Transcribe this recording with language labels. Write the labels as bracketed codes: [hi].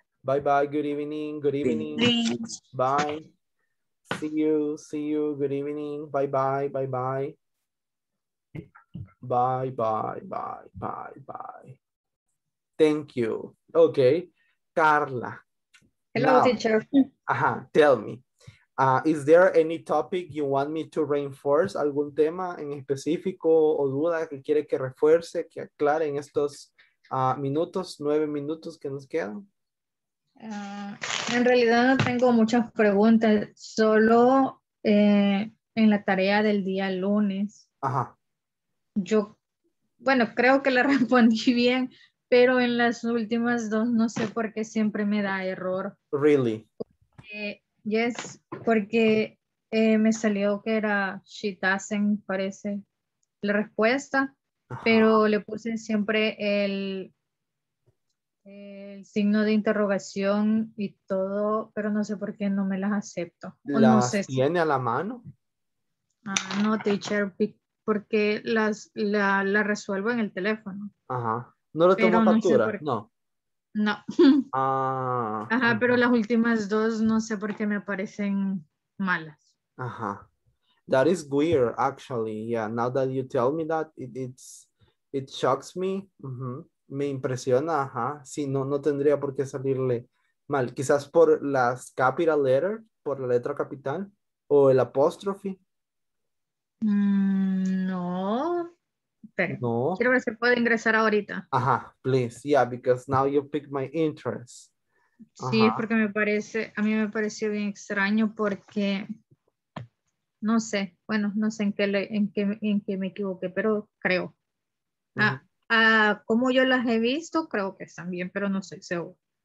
[en] Bye bye. Good evening. Good evening. Bye. See you. See you. Good evening. Bye bye. Bye bye. Bye, bye, bye, bye, bye. Thank you. Okay, Carla. Hello, teacher. Tell me, is there any topic you want me to reinforce? [es] ¿Algún tema en específico o duda que quiere que refuerce, que aclare en estos minutos, 9 minutos que nos quedan? En realidad no tengo muchas preguntas, solo en la tarea del día lunes. Ajá. Yo, bueno, creo que la respondí bien, pero en las últimas dos no sé por qué siempre me da error. [en] Really? [es] Yes, porque me salió que era [en] she doesn't, [es] parece, la respuesta, pero le puse siempre el signo de interrogación y todo, pero no sé por qué no me las acepto. ¿Las no sé si... tiene a la mano? Ah, no, teacher, porque la resuelvo en el teléfono. Ajá. No lo tomo factura, no. No. Ah. Ajá, pero las últimas dos no sé por qué me parecen malas. [en] Ajá. That is weird, actually. Yeah, now that you tell me that, it shocks me. [es] Uh-huh. Me impresiona, ajá. Sí, no tendría por qué salirle mal. Quizás por las capital letter, por la letra capital, o el apóstrofe. No, pero no. Quiero ver si puedo ingresar ahorita. [en] Ajá, please, yeah, because now you picked my interest. [es] Sí, ajá. Porque me parece, a mí me pareció bien extraño porque, no sé, bueno, no sé en qué me equivoqué, pero creo. Uh-huh. Como yo las he visto, creo que están bien, pero no sé, seguro.